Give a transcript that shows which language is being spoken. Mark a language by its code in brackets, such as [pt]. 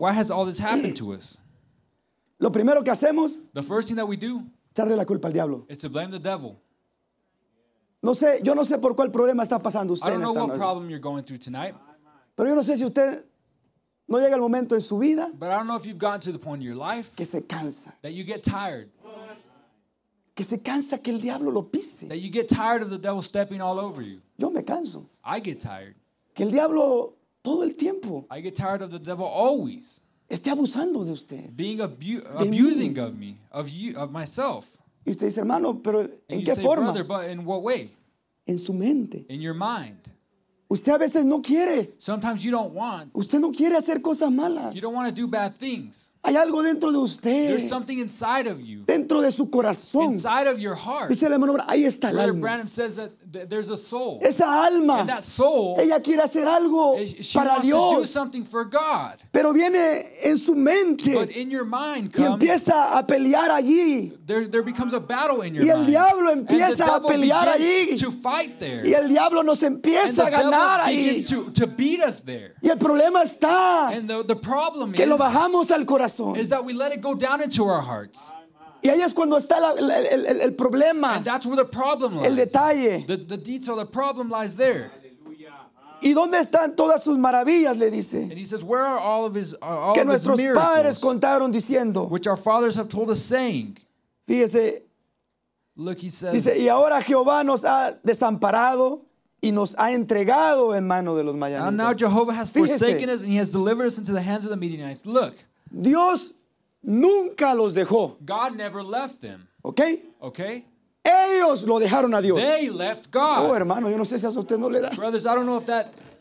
[en] Why has all this happened to us? [es] Lo primero que hacemos. [en] The first thing that we do. [es] Echarle la culpa al diablo. [en] Is to blame the devil. [es] No sé, yo no sé por cuál problema está pasando usted en esta noche. [en] Problem you're going through tonight. [es] Pero yo no sé si usted no llega el momento en su vida. [en] But I don't know if you've gotten to the point in your life. [es] Que se cansa. [en] That you get tired. [es] Que se cansa que el diablo lo pise. [en] That you get tired of the devil stepping all over you. [es] Yo me canso. [en] I get tired. [es] Que el diablo todo el tiempo. [en] I get tired of the devil always. [es] Esté abusando de usted. [en] Being abusing of me, of you, of myself. [es] Y usted dice, hermano, pero ¿en qué [en] say, [es] forma? [en] Brother, but in what way? [es] En su mente. [en] In your mind. [es] Usted a veces no quiere. [en] Sometimes you don't want. [es] Usted no quiere hacer cosas malas. [en] You don't want to do bad things. [es] Hay algo dentro de usted. [en] There's something inside of you. [es] Dentro de su corazón. [en] Inside of your heart. [es] Dice el hermano, ahí está el alma. [en] Brother Branham says that there's a soul. [es] Esa alma. [en] And that soul. [es] Ella quiere hacer algo para Dios. [en] She wants to do something for God. [es] Pero viene en su mente. [en] But in your mind comes. [es] Y empieza a pelear allí. [en] There becomes a battle in your mind. [es] Y el diablo empieza [en] and the devil [es] a pelear allí. [en] To fight there. [es] Y el diablo nos empieza [en] and [es] a ganar allí. [en] And the devil begins to beat us there. [es] Y el problema está. [en] And the problem [es] que Que lo bajamos al corazón. [en] Is that we let it go down into our hearts. [es] Y ahí es cuando está el problema. [en] And that's where the problem lies. [es] El detalle. [en] The detail, the problem lies there. [es] ¿Y dónde están todas sus maravillas? Le dice. [en] And he says, where are all of his miracles? [es] Que nuestros padres contaron diciendo. [en] Which our fathers have told us saying. [es] Fíjese. [en] Look, he says. [es] Dice, y ahora Jehová nos ha desamparado. Y nos ha entregado en mano de los Madianitas. [en] And now Jehovah has [es] fíjese. [en] Forsaken us and he has delivered us into the hands of the Midianites. Look. [es] Dios nunca los dejó. [en] God never left them. ¿Okay? Okay? [es] Ellos lo dejaron a Dios. [en] They left God. [es] Oh, hermano, yo no sé si a usted no le da. [en] Brothers, I don't know if that.